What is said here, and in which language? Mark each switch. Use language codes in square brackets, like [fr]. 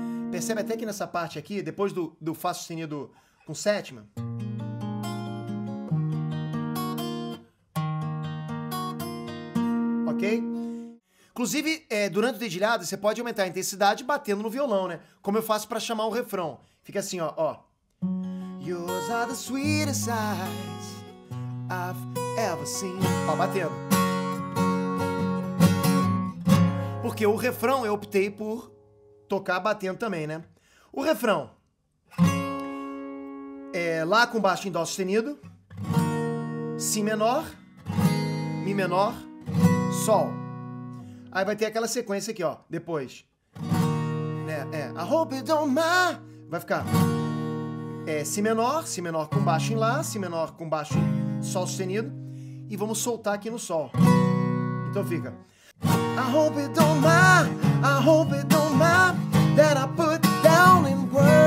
[pt] Percebe até que nessa parte aqui, depois do Fá sustenido com sétima. Ok? Inclusive, durante o dedilhado, você pode aumentar a intensidade batendo no violão, né? Como eu faço pra chamar o refrão. Fica assim, ó, ó. [en] Yours are the sweetest eyes I've ever seen. [pt] Ó, batendo. Porque o refrão eu optei por tocar batendo também, né? O refrão. Lá com baixo em Dó sustenido. Si menor. Mi menor. Sol. Aí vai ter aquela sequência aqui, ó. Depois. [en] I hope you don't mind. [pt] Vai ficar... Si menor com baixo em Lá, Si menor com baixo em Sol sustenido, e vamos soltar aqui no Sol. Então fica. [en] I hope you don't mind, I hope you don't mind that I put down in words.